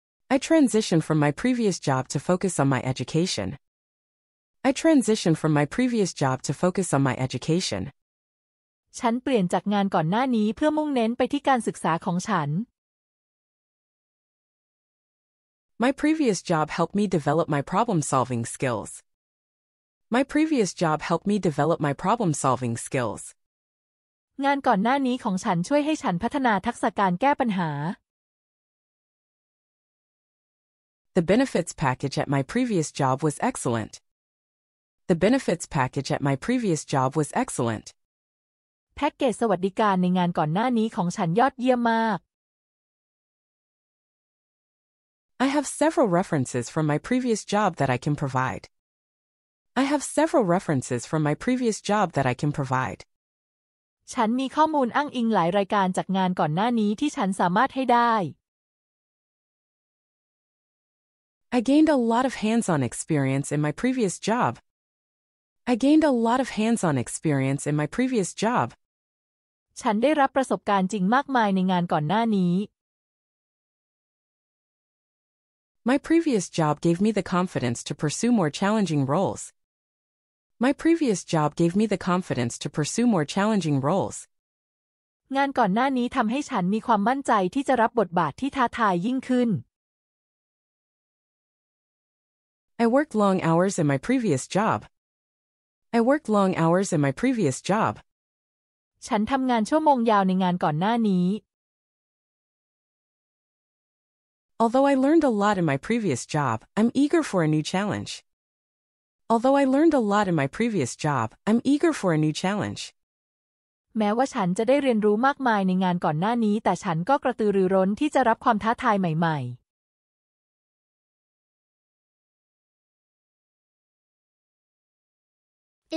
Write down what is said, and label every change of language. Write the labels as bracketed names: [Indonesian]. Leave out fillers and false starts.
[English] I transitioned from my previous job to focus on my education. I transitioned from my previous job to focus on my education. [Thai] ฉันเปลี่ยนจากงานก่อนหน้านี้เพื่อมุ่งเน้นไปที่การศึกษาของฉัน [English] My previous job helped me develop my problem-solving skills. My previous job helped me develop my problem-solving skills. [Thai] งานก่อนหน้านี้ของฉันช่วยให้ฉันพัฒนาทักษะการแก้ปัญหา [English] The benefits package at my previous job was excellent. The benefits package at my previous job was excellent. [Thai] แพ็กเกจสวัสดิการในงานก่อนหน้านี้ของฉันยอดเยี่ยมมาก [English] I have several references from my previous job that I can provide. I have several references from my previous job that I can provide. [Thai] ฉันมีข้อมูลอ้างอิงหลายรายการจากงานก่อนหน้านี้ที่ฉันสามารถให้ได้ [English] I gained a lot of hands-on experience in my previous job. I gained a lot of hands-on experience in my previous job. [Thai] ฉันได้รับประสบการณ์จริงมากมายในงานก่อนหน้านี้ [English] My previous job gave me the confidence to pursue more challenging roles. My previous job gave me the confidence to pursue more challenging roles. [Thai] งานก่อนหน้านี้ทำให้ฉันมีความมั่นใจที่จะรับบทบาทที่ท้าทายยิ่งขึ้น [English] I worked long hours in my previous job. I worked long hours in my previous job. [Thai] ฉันทำงานชั่วโมงยาวในงานก่อนหน้านี้ [English] Although I learned a lot in my previous job, I'm eager for a new challenge. Although I learned a lot in my previous job, I'm eager for a new challenge. [Thai] แม้ว่าฉันจะได้เรียนรู้มากมายในงานก่อนหน้านี้แต่ฉันก็กระตือรือร้นที่จะรับความท้าทายใหม่ๆ